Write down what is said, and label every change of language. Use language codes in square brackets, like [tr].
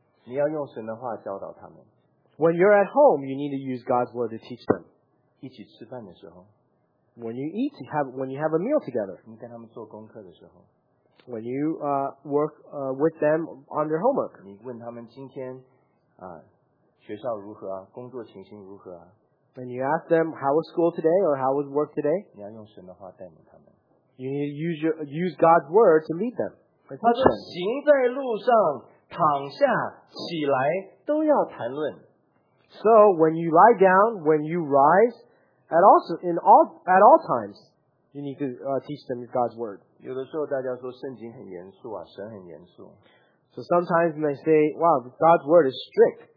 [en] When you're at home, you need to use God's word to teach them. When you eat, when you have a meal together. When you work with them on their homework. [zh] 你问他们今天学校如何啊，工作情形如何啊。 [en] When you ask them how was school today or how was work today, you need to use God's word to lead them. [zh] 他说行在路上躺下起来都要谈论。 [en] So when you lie down, when you rise, at all times, you need to teach them God's word. [zh] 有的时候大家说圣经很严肃啊，神很严肃。 [en] So sometimes you may say, wow, God's word is strict.